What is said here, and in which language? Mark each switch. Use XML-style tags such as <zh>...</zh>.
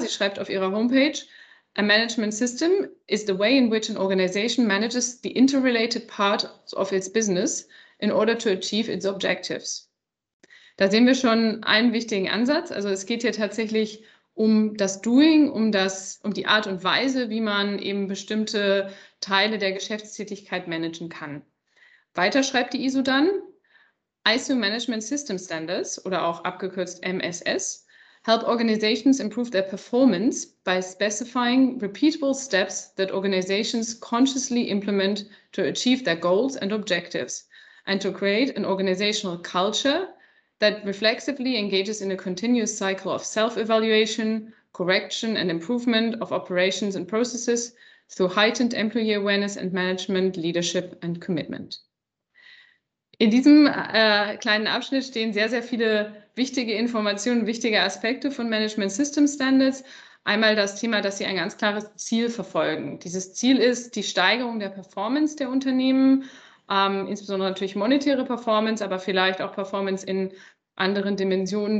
<de>Sie schreibt auf ihrer Homepage,</de> <en>a management system is the way in which an organization manages the interrelated parts of its business in order to achieve its objectives.</en> <de>Da sehen wir schon einen wichtigen Ansatz. Also es geht hier tatsächlich um das Doing, um die Art und Weise, wie man eben bestimmte Teile der Geschäftstätigkeit managen kann. Weiter schreibt die ISO dann,</de> <en>ISO Management System Standards,</en> <de>oder auch abgekürzt</de> <en>MSS, help organizations improve their performance by specifying repeatable steps that organizations consciously implement to achieve their goals and objectives and to create an organizational culture that reflexively engages in a continuous cycle of self-evaluation, correction and improvement of operations and processes through heightened employee awareness and management, leadership and commitment.</en> <de>In diesem kleinen Abschnitt stehen sehr, sehr viele wichtige Informationen, wichtige Aspekte von Management System Standards. Einmal das Thema, dass sie ein ganz klares Ziel verfolgen. Dieses Ziel ist die Steigerung der Performance der Unternehmen, insbesondere natürlich monetäre Performance, aber vielleicht auch Performance in anderen Dimensionen.</de>